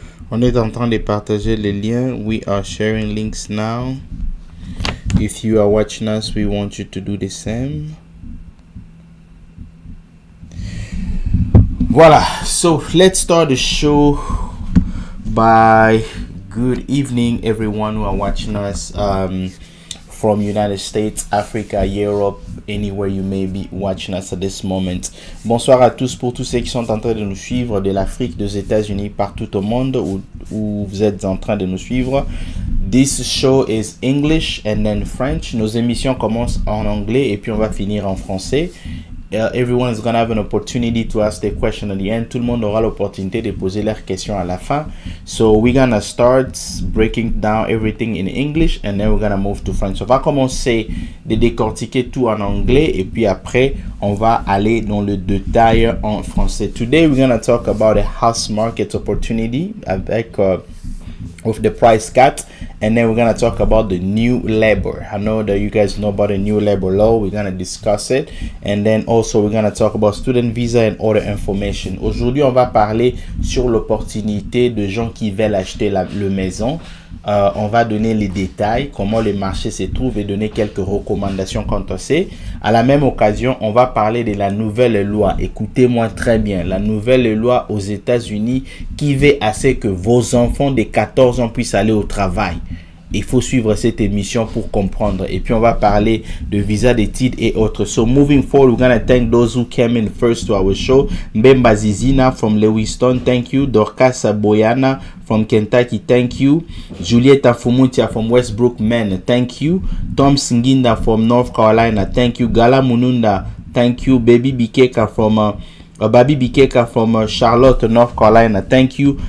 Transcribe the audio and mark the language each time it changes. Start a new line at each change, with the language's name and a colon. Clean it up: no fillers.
French: On est en train de partager les liens.
English: We are sharing links now. If you are watching us, we want you to do the same. Voilà. So let's start the show by good evening, everyone who are watching us from United States, Africa, Europe, anywhere you may be watching us at this moment.
French: Bonsoir à tous pour tous ceux qui sont en train de nous suivre de l'Afrique, des États-Unis, partout au monde où vous êtes en train de nous suivre.
English: This show is English and then French.
French: Nos émissions commencent en anglais et puis on va finir en français.
English: Everyone is gonna have an opportunity to ask their question at the end.
French: Tout le monde aura l'opportunité de poser leurs questions à la fin.
English: So we're gonna start breaking down everything in English and then we're gonna move to French.
French: So on va commencer de décortiquer tout en anglais et puis après on va aller dans le détail en français.
English: Today we're gonna talk about a house market opportunity avec of the price cut And then we're going to talk about the new labor. I know that you guys know about the new labor law. We're going to discuss it. And then also, we're going to talk about student visa and other information.
French: Aujourd'hui, on va parler sur l'opportunité de gens qui veulent acheter la maison. On va donner les détails, comment le marché se trouve et donner quelques recommandations quant à ça. À la même occasion, on va parler de la nouvelle loi. Écoutez-moi très bien. La nouvelle loi aux États-Unis qui veut à ce que vos enfants de 14 ans puissent aller au travail. Il faut suivre cette émission pour comprendre. Et puis, on va parler de visa d'études et autres.
English: So, moving forward, we're going to thank those who came in first to our show. Mbemba Zizina from Lewiston, thank you. Dorcas Boyana from Kentucky, thank you. Julieta Fumutia from Westbrook, Maine, thank you. Tom Singinda from North Carolina, thank you. Gala Mununda, thank you. Baby Bikeka from Babi Bikeka from Charlotte, North Carolina, thank you.